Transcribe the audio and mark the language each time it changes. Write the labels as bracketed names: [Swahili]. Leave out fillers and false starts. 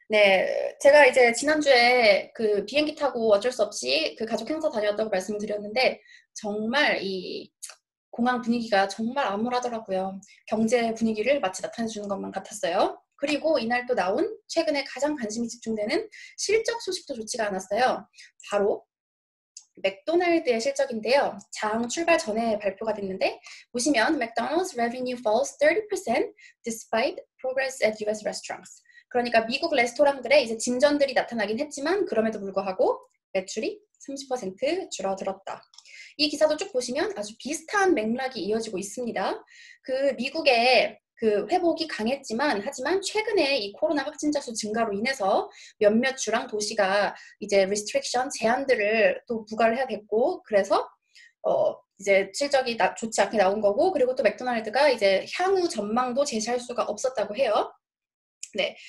[Korean] 네, 제가 이제 지난주에 그 비행기 타고 어쩔 수 없이 그 가족 행사 다녀왔다고 말씀을 드렸는데, 정말 이 공항 분위기가 정말 암울하더라고요. 경제 분위기를 마치 나타내 주는 것만 같았어요. 그리고 이날 또 나온 최근에 가장 관심이 집중되는 실적 소식도 좋지가 않았어요. 바로 맥도날드의 실적인데요. 자항 출발 전에 발표가 됐는데 보시면 [English] McDonald's revenue falls 30% despite progress at US restaurants. [Korean] 그러니까 미국 레스토랑들의 이제 진전들이 나타나긴 했지만 그럼에도 불구하고 매출이 30% 줄어들었다. 이 기사도 쭉 보시면 아주 비슷한 맥락이 이어지고 있습니다. 그 미국의 그 회복이 강했지만, 하지만 최근에 이 코로나 확진자 수 증가로 인해서 몇몇 주랑 도시가 이제 restriction 제한들을 또 부과를 해야 됐고, 그래서, 이제 실적이 좋지 않게 나온 거고, 그리고 또 맥도날드가 이제 향후 전망도 제시할 수가 없었다고 해요. 네.